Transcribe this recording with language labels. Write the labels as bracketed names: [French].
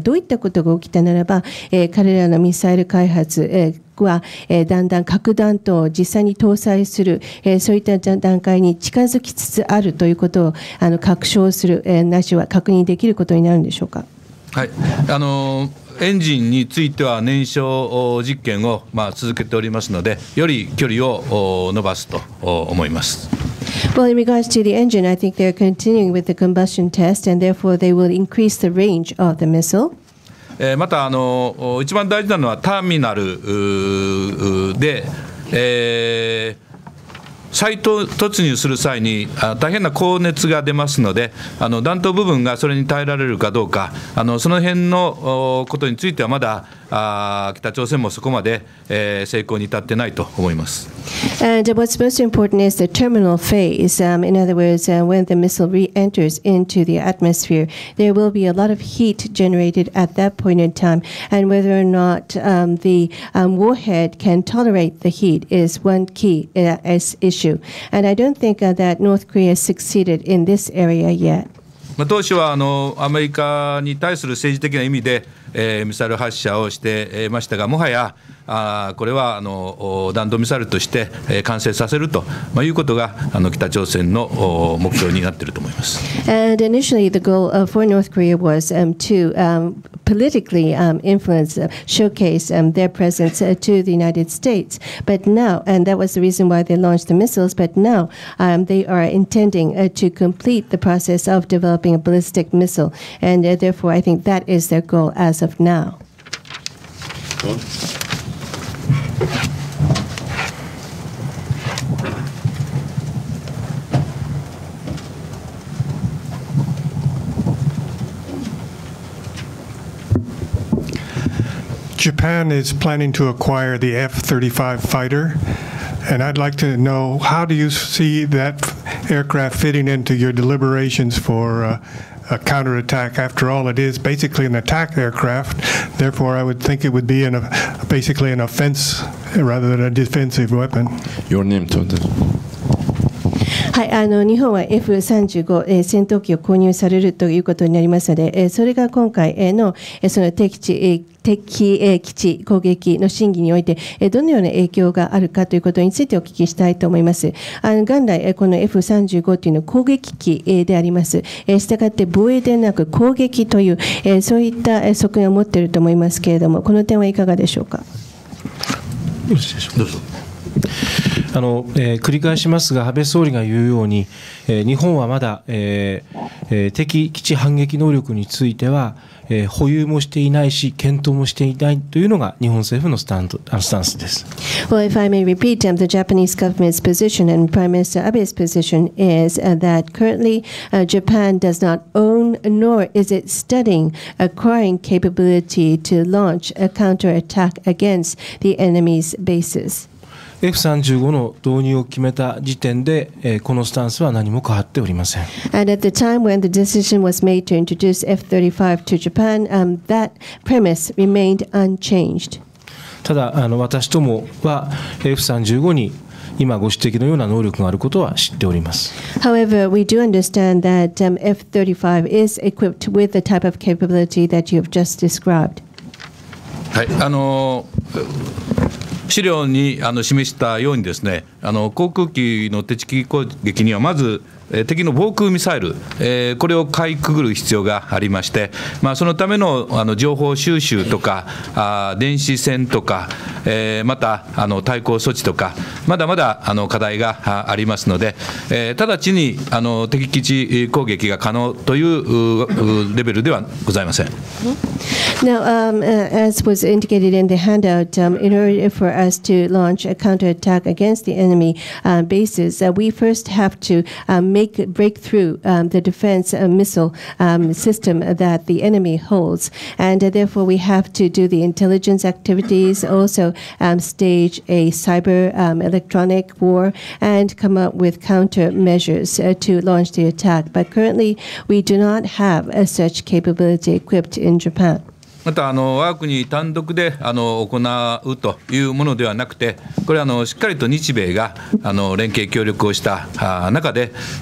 [Japanese] どういったことが起きたならば、彼らのミサイル開発、はだんだん核弾頭を実際に搭載する、そういった段階に近づきつつあるということを確証する、なしは確認できることになるんでしょうか。はい、エンジンについては燃焼実験を続けておりますので、より距離を伸ばすと思います。 [English] Well, in regards to the engine, I think they're continuing with the combustion test, and therefore they will increase the range of the missile. [Japanese] また一番大事なのはターミナルで、再突入する際に大変な高熱が出ますので、弾頭部分がそれに耐えられるかどうか、その辺のことについてはまだ北朝鮮もそこまで成功に至ってないと思います。 [English] And what's most important is the terminal phase. In other words, when the missile re-enters into the atmosphere, there will be a lot of heat generated at that point in time. And whether or not the warhead can tolerate the heat is one key issue. And I don't think that North Korea succeeded in this area yet. [Japanese] 当初はアメリカに対する政治的な意味で、ミサイル発射をしていましたが、もはやこれは弾道ミサイルとして完成させると、いうことが北朝鮮の目標になっていると思います。 [English] And initially the goal for North Korea was to politically influence, showcase their presence to the United States. But now, and that was the reason why they launched the missiles, but now they are intending to complete the process of developing a ballistic missile. And therefore I think that is their goal as of now. Japan is planning to acquire the F-35 fighter, and I'd like to know, how do you see that aircraft fitting into your deliberations for a counterattack? After all, it is basically an attack aircraft, therefore I would think it would be basically an offense rather than a defensive weapon. Your name, Tonton. [Japanese] はい、日本は F-35 戦闘機を購入されるということになりますので、それが今回 の、 その敵地、敵基地攻撃の審議において、どのような影響があるかということについてお聞きしたいと思います。元来この F-35 というのは攻撃機であります。したがって防衛ではなく攻撃という、そういった側面を持っていると思いますけれども、この点はいかがでしょうか。よろしいでしょうか。どうぞ。繰り返しますが、安倍総理が言うように、日本はまだ、敵基地反撃能力については、保有もしていないし検討もしていないというのが日本政府のスタンスです。 [English] Well, if I may repeat, the Japanese government's position and Prime Minister Abe's position is that currently Japan does not own nor is it studying acquiring capability to launch a counterattack against the enemy's bases [Japanese] F-35 の導入を決めた時点で、このスタンスは何も変わっておりません。 [English] And at the time when the decision was made to introduce F-35 to Japan, that premise remained unchanged. [Japanese] ただ、私どもは F-35 に今ご指摘のような能力があることは知っております。 [English] However, we do understand that F-35 is equipped with the type of capability that you have just described. [Japanese] はい、資料に示したようにですね、航空機の敵基地攻撃にはまず敵の防空ミサイル、これをかいくぐる必要がありまして、そのため の、 情報収集とか電子戦とか、また対抗措置とかまだまだ課題がありますので、直ちに敵基地攻撃が可能というレベルではございません。 [English] Now, as was indicated in the handout, in order for us to launch a counterattack against the enemy bases, we first have to breakthrough the defense missile system that the enemy holds. And therefore, we have to do the intelligence activities, also stage a cyber electronic war, and come up with countermeasures to launch the attack. But currently, we do not have a such capability equipped in Japan. [Japanese] また我が国単独で行うというものではなくて、これはしっかりと日米が連携協力をした中で